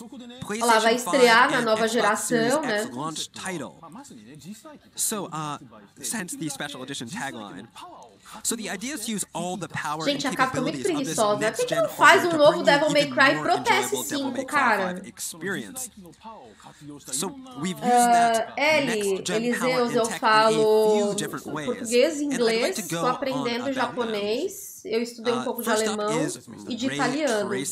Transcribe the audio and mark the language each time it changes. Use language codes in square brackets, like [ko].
[pt] Olha lá, vai estrear na nova geração, né? [en] Launch title. So, since the special edition tagline, So the idea is to use all the power [pt] gente, [en] and capabilities of this next-gen horror to bring you even more enjoyable Devil May Cry 5 experience. So we've used that next-gen power and tech in a few different ways. [pt] Português, inglês, [en] and I'd like to go on about them. [pt] Eu estudei um pouco de alemão e de italiano.